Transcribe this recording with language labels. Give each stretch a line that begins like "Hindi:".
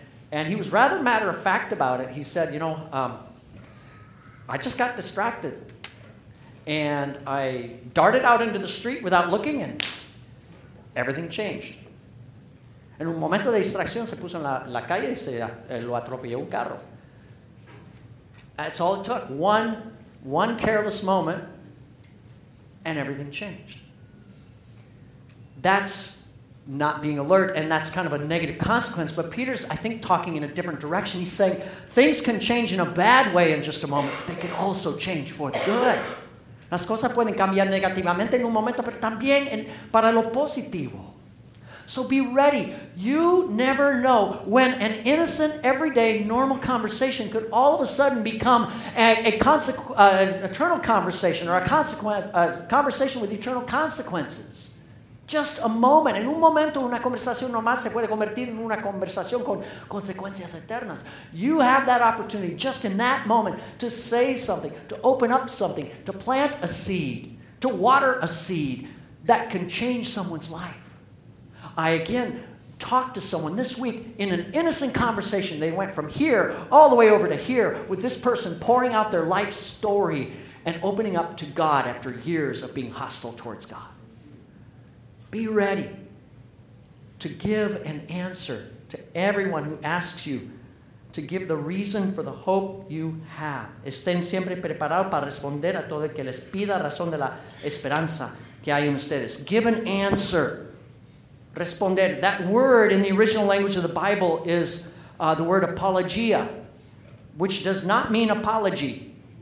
English: And he was rather matter of fact about it. He said, you know, I just got distracted. And I darted out into the street without looking, and everything changed.
Spanish: En un momento de distracción, se puso en la calle y se lo atropelló un carro.
English: That's all it took. One careless moment, and everything changed. That's not being alert, and that's kind of a negative consequence. But Peter's, I think, talking in a different direction. He's saying things can change in a bad way in just a moment, but they can also change for the good.
Spanish: Las cosas pueden cambiar negativamente en un momento, pero también para lo positivo.
English: So be ready. You never know when an innocent, everyday, normal conversation could all of a sudden become an eternal conversation or a conversation with eternal consequences. Just a moment.
Spanish: En un momento, una conversación normal se puede convertir en una conversación con consecuencias eternas.
English: You have that opportunity just in that moment to say something, to open up something, to plant a seed, to water a seed that can change someone's life. I again talked to someone this week in an innocent conversation. They went from here all the way over to here with this person pouring out their life story and opening up to God after years of being hostile towards God. Be ready to give an answer to everyone who asks you to give the reason for the hope you have.
Spanish: Estén siempre preparados para responder a todo el que les pida razón de la esperanza que hay en ustedes.
English: Give an answer. Responded. That word in the original language of the Bible is the word apologia, which does not mean apology.